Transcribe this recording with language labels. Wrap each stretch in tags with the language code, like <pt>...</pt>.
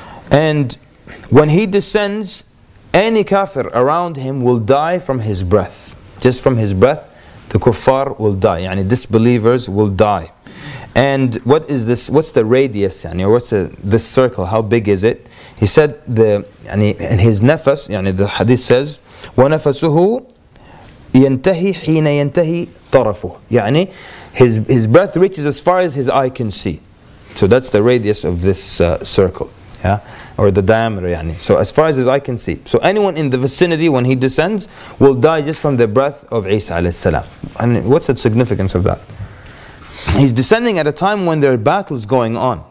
<en>And when he descends, any kafir around him will die from his breath. Just from his breath, the kuffar will die. Yani disbelievers will die. And what is this? What's the radius? Yani, or what's this circle? How big is it? He said the yani, and his nafas. Yani the hadith says,</en> <ar>"ونفسه ينتهي حين ينتهي طرفه."</ar> <en>Yani, his breath reaches as far as his eye can see. So that's the radius of this circle. Yeah. Or the diameter, yani. So as far as I can see. So anyone in the vicinity when he descends will die just from the breath of Isa alayhi salam. And what's the significance of that? He's descending at a time when there are battles going on.</en>